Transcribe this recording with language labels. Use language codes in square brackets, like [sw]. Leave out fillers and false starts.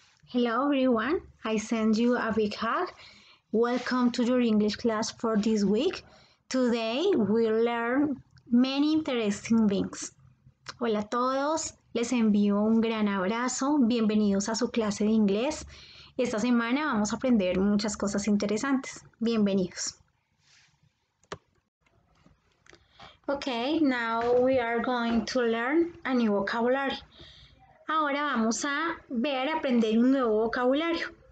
[en] Hello everyone, I send you a big hug. Welcome to your English class for this week. Today we'll learn many interesting things. [es] Hola a todos, les envío un gran abrazo. Bienvenidos a su clase de inglés. Esta semana vamos a aprender muchas cosas interesantes. Bienvenidos. [en] Okay, now we are going to learn a new vocabulary. [es] Ahora vamos a ver, aprender un nuevo vocabulario.